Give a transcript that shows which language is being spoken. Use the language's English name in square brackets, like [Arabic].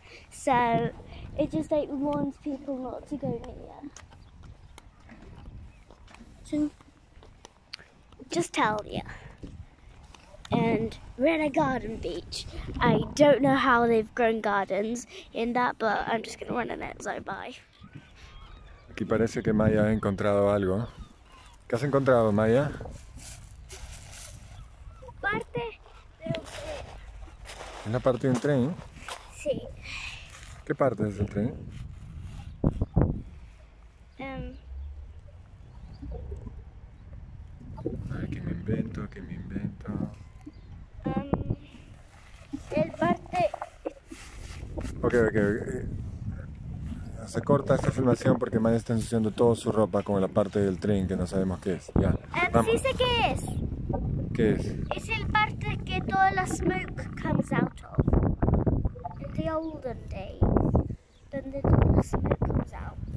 [English] So it just like warns people not to go near. So just tell you. And we're in a garden beach. I don't know how they've grown gardens in that, but I'm just gonna run in it, so bye. [Spanish] Aquí parece que Maya ha encontrado algo. ¿Qué has encontrado, Maya? Parte del tren. ¿Es la parte de un tren? Sí. ¿Qué parte es el tren? Aquí me invento. El parte. Ok. Se corta esta filmación porque Maya está ensuciando toda su ropa con la parte del tren que no sabemos qué es. Ya. Vamos. Dice que es. ¿Qué es? Es el parte que toda la smoke comes out of. [English] In the olden days. [Spanish] Donde toda la smoke comes out.